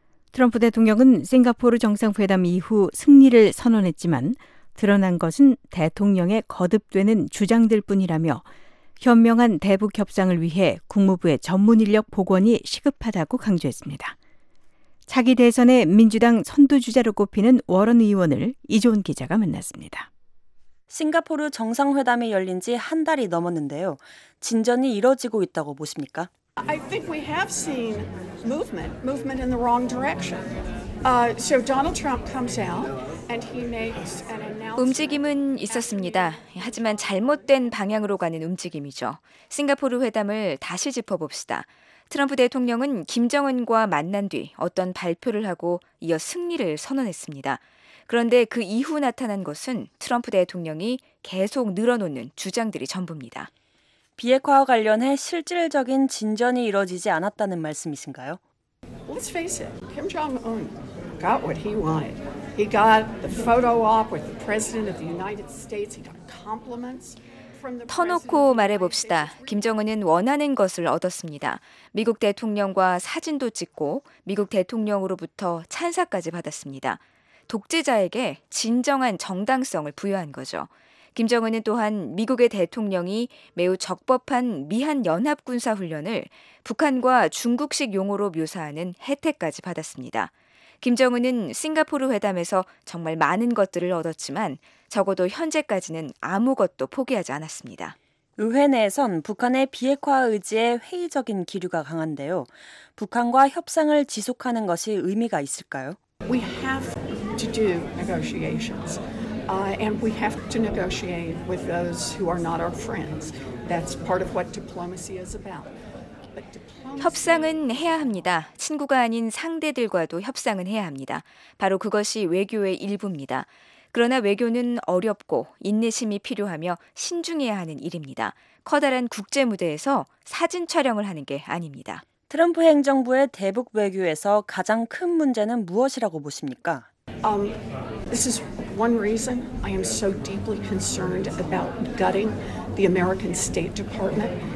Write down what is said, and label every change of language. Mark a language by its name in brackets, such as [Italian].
[Korean] 트럼프 대통령은 싱가포르 정상회담 이후 승리를 선언했지만 드러난 것은 대통령의 거듭되는 주장들 뿐이라며 현명한 대북 협상을 위해 국무부의 전문 인력 복원이 시급하다고 강조했습니다. 차기 대선에 민주당 선두주자로 꼽히는 워런 의원을 이종훈 기자가 만났습니다. 싱가포르 정상회담이 열린 지 한 달이 넘었는데요. 진전이 이뤄지고 있다고 보십니까? [English] I think we have seen movement in the wrong direction. So Donald Trump comes out and he makes an announcement. [Korean] 움직임은 있었습니다. 하지만 잘못된 방향으로 가는 움직임이죠. 싱가포르 회담을 다시 짚어봅시다. 트럼프 대통령은 김정은과 만난 뒤 어떤 발표를 하고 이어 승리를 선언했습니다. 그런데 그 이후 나타난 것은 트럼프 대통령이 계속 늘어놓는 주장들이 전부입니다. 비핵화와 관련해 실질적인 진전이 이루어지지 않았다는 말씀이신가요? [English] Let's face it. Kim Jong-un got what he wanted. He got the photo op with the President of the United States. He got compliments. [Korean] 터놓고 말해봅시다. 김정은은 원하는 것을 얻었습니다. 미국 대통령과 사진도 찍고 미국 대통령으로부터 찬사까지 받았습니다. 독재자에게 진정한 정당성을 부여한 거죠. 김정은은 또한 미국의 대통령이 매우 적법한 미한 연합군사 훈련을 북한과 중국식 용어로 묘사하는 혜택까지 받았습니다. 김정은은 싱가포르 회담에서 정말 많은 것들을 얻었지만 적어도 현재까지는 아무것도 포기하지 않았습니다. 의회 내에선 북한의 비핵화 의지에 회의적인 기류가 강한데요. 북한과 협상을 지속하는 것이 의미가 있을까요? [English] We have to do negotiations. And we have to negotiate with those who are not our friends. That's part of what diplomacy is about. [Korean] 협상은 해야 합니다. 친구가 아닌 상대들과도 협상은 해야 합니다. 바로 그것이 외교의 일부입니다. 그러나 외교는 어렵고 인내심이 필요하며 신중해야 하는 일입니다. 커다란 국제 무대에서 사진 촬영을 하는 게 아닙니다. 트럼프 행정부의 대북 외교에서 가장 큰 문제는 무엇이라고 보십니까? [English] This is one reason I am so deeply concerned about gutting the American State Department.